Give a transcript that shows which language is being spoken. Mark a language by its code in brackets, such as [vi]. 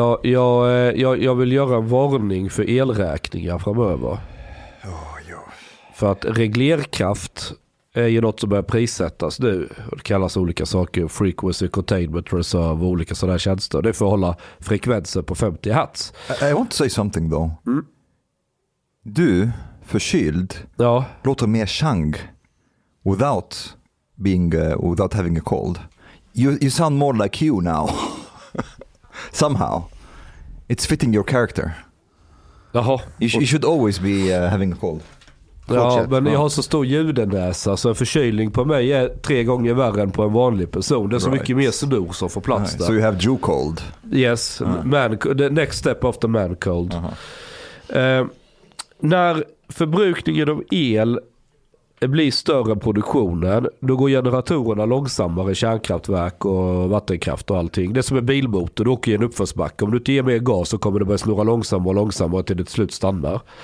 [sv] Jag vill göra en varning för elräkningar framöver. För att reglerkraft är ju något som börjar prissättas nu. Det kallas olika saker, frequency, containment, reserve och olika sådana tjänster. Det är för att hålla frekvenser på 50 hertz. [en] I want to say something though. [sv] Du, förkyld, ja. Låter mer [en] chang without being without having a cold. You sound more like you now. Somehow, it's fitting your character. [sv] Jaha. [en] You should always be having a cold. [sv] Ja, men jag har så stor ljudenäsa så en förkylning på mig är 3 gånger värre än på en vanlig person. Det är så mycket mer snor som får plats där. [en] So you have Jew cold. Yes, man, the next step after man cold. [sv] När förbrukningen av el blir större än produktionen, då går generatorerna långsammare, kärnkraftverk och vattenkraft och allting. Det är som en bilmotor, du åker i en uppförsbacke. Om du inte ger mer gas så kommer det börja snurra långsammare och långsammare till det slut stannar.